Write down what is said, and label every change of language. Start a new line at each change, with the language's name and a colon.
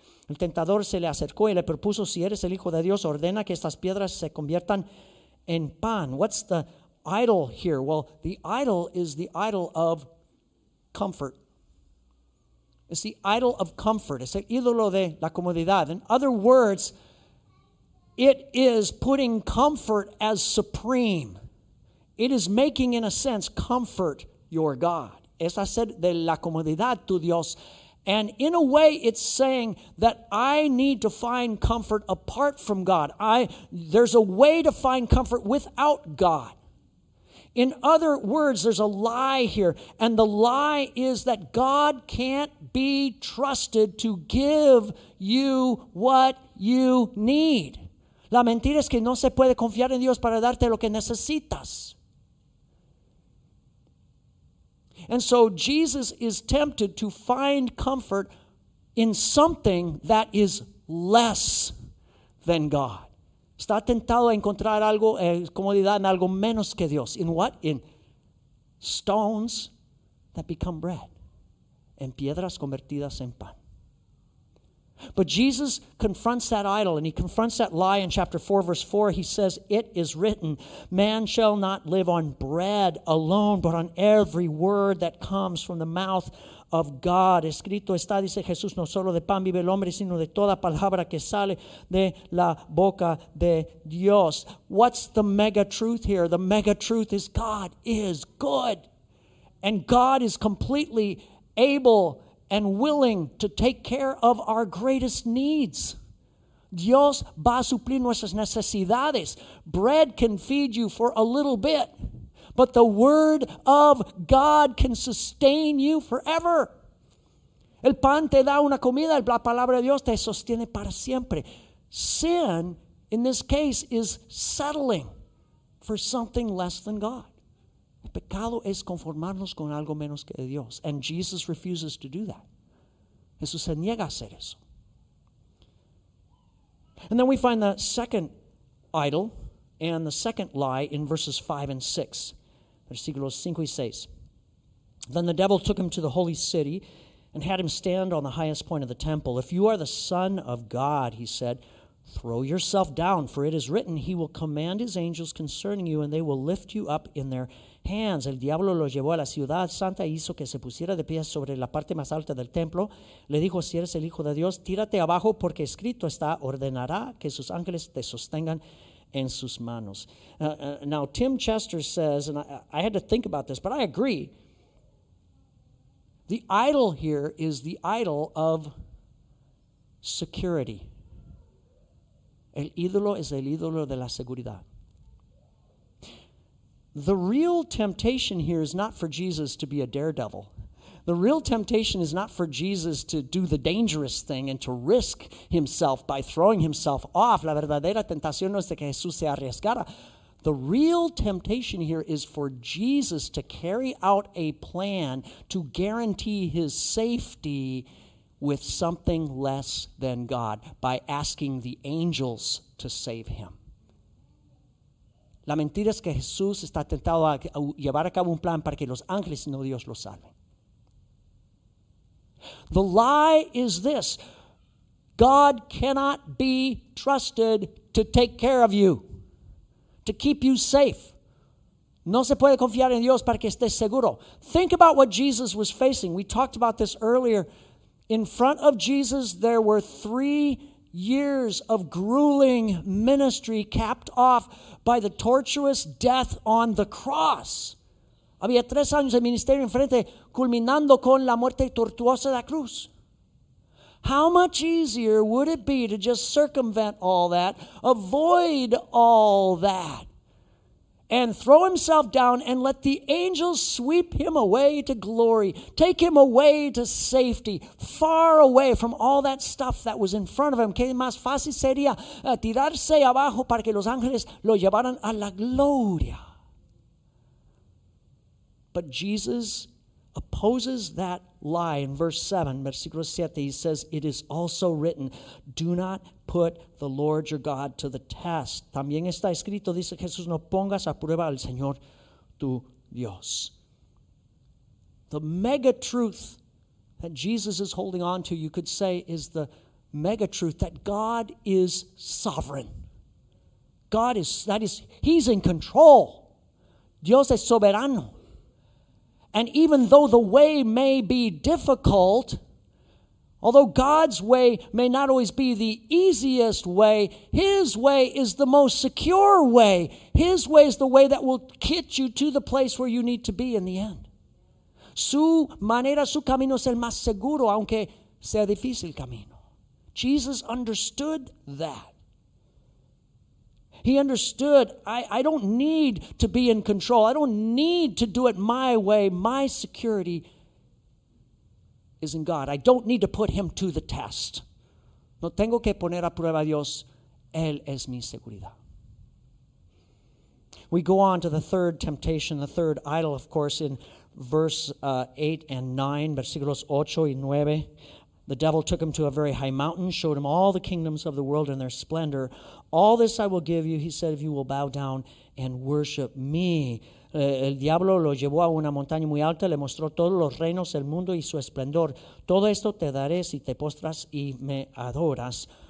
Spanish: El tentador se le acercó y le propuso, si eres el Hijo de Dios, ordena que estas piedras se conviertan en pan.
English: What's the idol here? Well, the idol is the idol of comfort. It's the idol of comfort. It's the
Spanish: ídolo de la comodidad.
English: In other words, it is putting comfort as supreme. It is making, in a sense, comfort your God.
Spanish: Es hacer de la comodidad tu Dios.
English: And in a way, it's saying that I need to find comfort apart from God. There's a way to find comfort without God. In other words, there's a lie here, and the lie is that God can't be trusted to give you what you need.
Spanish: La mentira es que no se puede confiar en Dios para darte lo que necesitas.
English: And so Jesus is tempted to find comfort in something that is less than God.
Spanish: Está tentado a encontrar algo, comodidad en algo menos que Dios.
English: In what? In stones that become bread.
Spanish: En piedras convertidas en pan.
English: But Jesus confronts that idol, and he confronts that lie in chapter 4, verse 4. He says, it is written, man shall not live on bread alone, but on every word that comes from the mouth of God.
Spanish: Escrito está, dice Jesús, no solo de pan vive el hombre, sino de toda palabra que sale de la boca de Dios.
English: What's the mega truth here? The mega truth is God is good. And God is completely able and willing to take care of our greatest needs.
Spanish: Dios va a suplir nuestras necesidades.
English: Bread can feed you for a little bit. But the word of God can sustain you forever.
Spanish: El pan te da una comida, la palabra de Dios te sostiene para siempre.
English: Sin, in this case, is settling for something less than God.
Spanish: El pecado es conformarnos con algo menos que Dios.
English: And Jesus refuses to do that.
Spanish: Jesús se niega a hacer eso.
English: And then we find the second idol and the second lie in verses 5 and 6.
Spanish: Versículos 5 y 6.
English: Then the devil took him to the holy city and had him stand on the highest point of the temple. If you are the Son of God, he said, throw yourself down, for it is written, he will command his angels concerning you, and they will lift you up in their hands.
Spanish: El diablo lo llevó a la ciudad santa e hizo que se pusiera de pie sobre la parte más alta del templo. Le dijo, si eres el Hijo de Dios, tírate abajo, porque escrito está, ordenará que sus ángeles te sostengan en sus manos.
English: Now, Tim Chester says, and I had to think about this, but I agree. The idol here is the idol of security.
Spanish: El ídolo es el ídolo de la seguridad.
English: The real temptation here is not for Jesus to be a daredevil. The real temptation is not for Jesus to do the dangerous thing and to risk himself by throwing himself off.
Spanish: La verdadera tentación no es de que Jesús se arriesgara.
English: The real temptation here is for Jesus to carry out a plan to guarantee his safety with something less than God by asking the angels to save him.
Spanish: La mentira es que Jesús está tentado a llevar a cabo un plan para que los ángeles y no Dios lo salven.
English: The lie is this: God cannot be trusted to take care of you, to keep you safe.
Spanish: No se puede confiar en Dios para que estés seguro.
English: Think about what Jesus was facing. We talked about this earlier. In front of Jesus, there were 3 years of grueling ministry capped off by the torturous death on the cross.
Spanish: Había 3 años de ministerio enfrente, culminando con la muerte tortuosa de la cruz.
English: How much easier would it be to just circumvent all that, avoid all that, and throw himself down and let the angels sweep him away to glory, take him away to safety, far away from all that stuff that was in front of him?
Spanish: ¿Qué más fácil sería tirarse abajo para que los ángeles lo llevaran a la gloria?
English: But Jesus opposes that lie in verse 7,
Spanish: versículo 7.
English: He says, it is also written, do not put the Lord your God to the test.
Spanish: También está escrito, dice Jesús, no pongas a prueba al Señor tu Dios.
English: The mega truth that Jesus is holding on to, you could say, is the mega truth that God is sovereign. God is, that is, he's in control.
Spanish: Dios es soberano.
English: And even though the way may be difficult, although God's way may not always be the easiest way, his way is the most secure way. His way is the way that will get you to the place where you need to be in the end.
Spanish: Su manera, su camino es el más seguro, aunque sea difícil camino.
English: Jesus understood that. He understood, I don't need to be in control. I don't need to do it my way. My security is in God. I don't need to put him to the test.
Spanish: No tengo que poner a prueba a Dios. Él es mi seguridad.
English: We go on to the third temptation, the third idol, of course, in verse 8 and 9,
Spanish: versículos 8 y 9.
English: The devil took him to a very high mountain, showed him all the kingdoms of the world and their splendor. All this I will give you, he said, if you will bow down and worship me.
Spanish: El diablo lo llevó a una montaña muy alta, le mostró todos los reinos del mundo y su esplendor. Todo esto te daré si te postras y me adoras.